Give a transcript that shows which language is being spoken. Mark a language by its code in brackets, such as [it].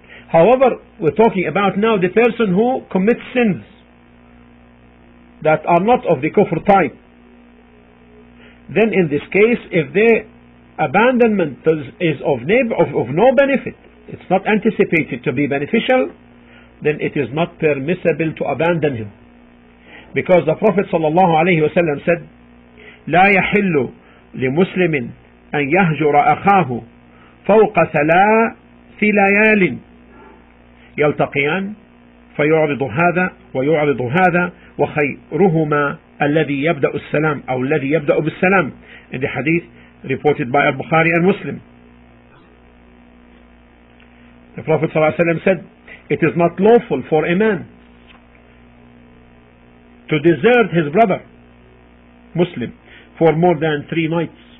[en] However, we're talking about now the person who commits sins that are not of the kufr type. Then in this case, if the abandonment is of no benefit, it's not anticipated to be beneficial, then it is not permissible to abandon him. Because the Prophet sallallahu alayhi wasallam said, [ar] لا يحل لمسلم أن يهجر أخاه فوق ثلاث ليال يلتقيان فيعرض هذا ويعرض هذا وخيرهما الذي يبدأ السلام أو الذي يبدأ بالسلام. [en] In the hadith reported by Al-Bukhari and Muslim, the Prophet sallallahu alayhi wasallam said, it is not lawful for a man to desert his brother Muslim for more than 3 nights.